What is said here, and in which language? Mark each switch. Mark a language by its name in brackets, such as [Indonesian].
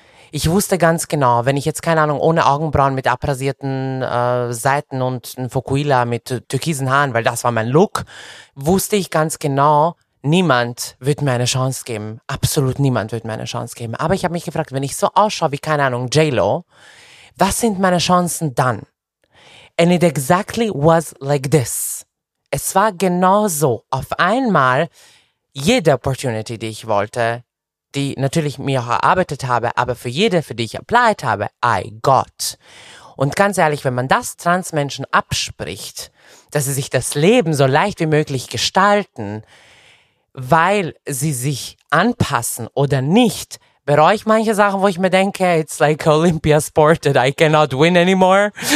[German] Ich wusste ganz genau, wenn ich jetzt, keine Ahnung, ohne Augenbrauen mit abrasierten Seiten und ein Fukuhila mit türkisen Haaren, weil das war mein Look, wusste ich ganz genau, niemand wird mir eine Chance geben. Absolut niemand wird mir eine Chance geben. Aber ich habe mich gefragt, wenn ich so ausschaue wie, keine Ahnung, J-Lo, was sind meine Chancen dann? [English] And it exactly was like this. [German] Es war genau so. Auf einmal, jede Opportunity, die ich wollte, die natürlich mir auch erarbeitet habe, aber für jede, für die ich applied habe, [English] I got. [German] Und ganz ehrlich, wenn man das Transmenschen abspricht, dass sie sich das Leben so leicht wie möglich gestalten, weil sie sich anpassen oder nicht, bereue ich manche Sachen, wo ich mir denke, [English] it's like Olympia sported, I cannot win anymore.